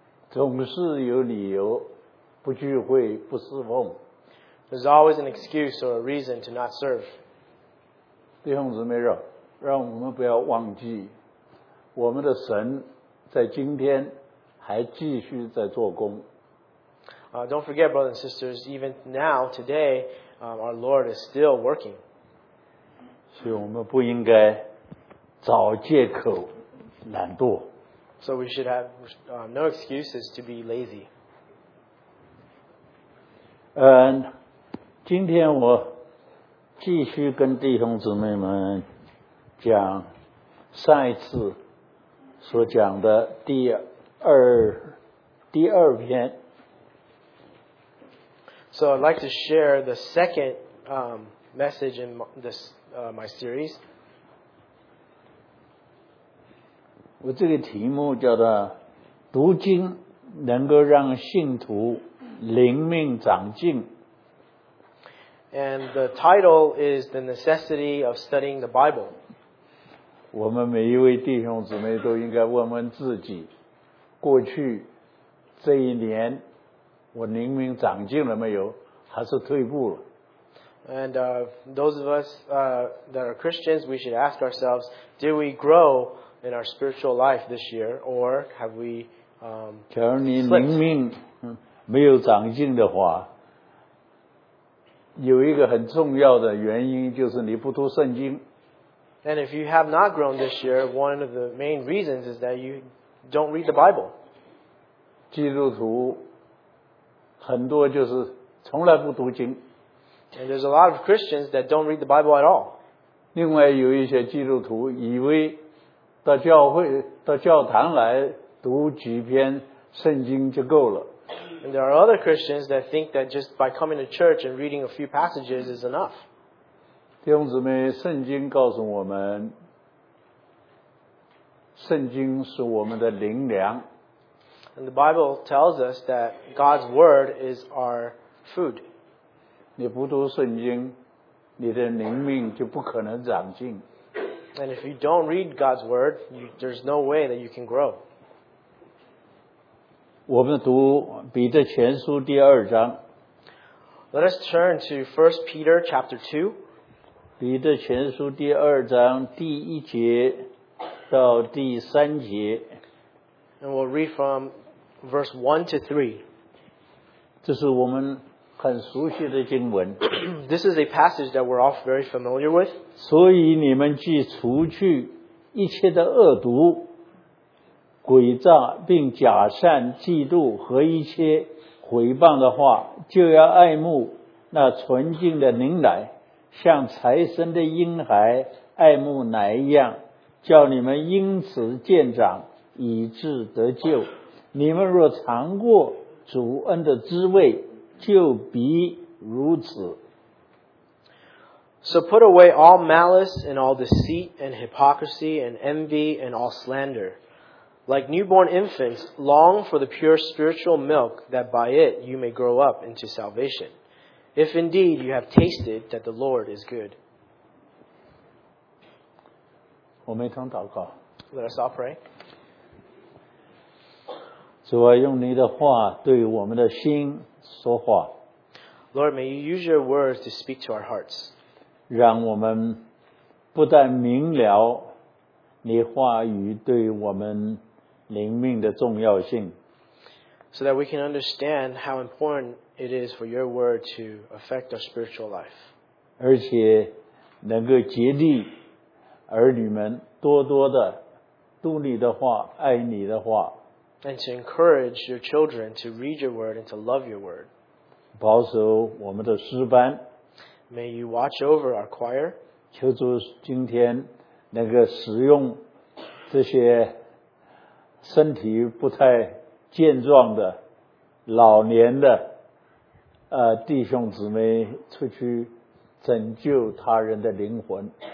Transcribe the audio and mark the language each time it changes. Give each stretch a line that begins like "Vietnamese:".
Chinese: 总是有理由不聚会不侍奉。
English: There's always an excuse or a reason to not serve.
Chinese: 弟兄姊妹们让我们不要忘记我们的神在今天还继续在做工。
English: Don't forget, brothers and sisters, even now, today, our Lord is still working.
Chinese: 所以我们不应该找借口懒惰。
English: So we should have no excuses to be lazy.
Chinese: 今天我继续跟弟兄姊妹们讲上一次所讲的第二篇。
English: So I'd like to share the second message in this my series.
Chinese: 我这个题目叫做读经能够让信徒灵命长进。
English: And the title is The Necessity of Studying the Bible.
Chinese: 我们每一位弟兄姊妹都应该问问自己，过去这一年，我灵命长进了没有，还是退步了
English: ？And those of us that are Christians, we should ask ourselves, do we grow in our spiritual life this year, or have we slipped?
Chinese: 假如你灵命没有长进的话，有一个很重要的原因就是你不读圣经。
English: And if you have not grown this year, one of the main reasons is that you don't read the Bible.
Chinese: 基督徒很多就是从来不读经。
English: And there's a lot of Christians that don't read the Bible at all.
Chinese: 另外有一些基督徒以为到教会到教堂来读几篇圣经就够了。
English: And there are other Christians that think that just by coming to church and reading a few passages is enough.
Chinese: 弟兄姊妹，圣经告诉我们，圣经是我们的灵粮。
English: And the Bible tells us that God's word is our food.
Chinese: 你不读圣经，你的灵命就不可能长进。
English: And if you don't read God's word, there's no way that you can grow.
Chinese: 我们读彼得前书第二章。
English: Let us turn to 1 Peter chapter 2.
Chinese: 彼得前书第二章第一节到第三节。
English: And we'll read from verse 1 to 3.
Chinese: 这是我们很熟悉的经文。
English: This is a passage that we're all very familiar with.
Chinese: 所以你们既除去一切的恶毒、诡诈并假善、嫉妒和一切毁谤的话，就要爱慕那纯净的灵奶，像才生的婴孩爱慕奶一样，叫你们因此渐长，以致得救。你们若尝过主恩的滋味，就必如此。
English: So put away all malice and all deceit and hypocrisy and envy and all slander. Like newborn infants, long for the pure spiritual milk, that by it you may grow up into salvation. If indeed you have tasted that the Lord is good.
Chinese: 我们一同祷告。
English: Let us all pray.
Chinese: 主啊，用你的话对我们的心说话。
English: Lord, may you use your words to speak to our hearts.
Chinese: 让我们不但明了你话语对我们灵命的重要性。
English: So that we can understand how important it is for your word to affect our spiritual life.
Chinese: 而且能够激励儿女们多多的读你的话，爱你的话。
English: And to encourage your children to read your word and to love your word.
Chinese: 保守我们的诗班。
English: May you watch over our choir.
Chinese: 求主今天能够使用这些身体不太健壮的老年的弟兄姊妹出去拯救他人的灵魂。